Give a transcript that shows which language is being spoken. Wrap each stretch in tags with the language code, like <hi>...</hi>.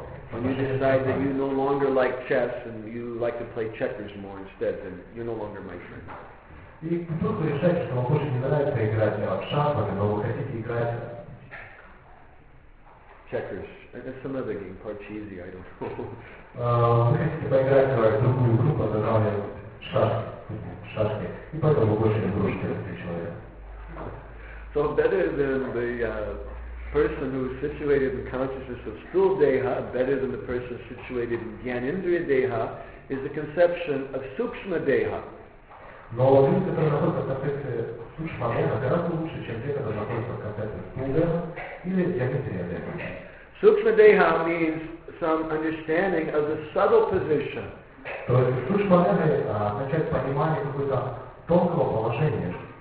<en>When you decide that you no longer like chess and you like to play checkers more instead, then you're no longer my friend.</en> <ru>И вдруг вы решаете, что вам больше не нравится играть в шахматы, но вы хотите играть...</ru> <en>Checkers. It's some other game, Parcheesi, I don't know.</en> <ru>Вы хотите поиграть в другую группу, называемую шашки. И поэтому больше не будет терпеть человека.</ru> <en>So better than the person who is situated in consciousness of Stul Deha, better than the person situated in Gyanindriya Deha, is the conception of Sukshma Deha.</en> <ru>Но люди, которые находятся в концепции Сукшма Деха, гораздо лучше, чем те, которые находятся в концепции Стул Деха или Гьянинтрия Деха.</ru> <en>Sukshma Deha means some understanding of the subtle position.</en> <ru>То есть Сукшма Деха означает понимание какого-то тонкого положения.</ru>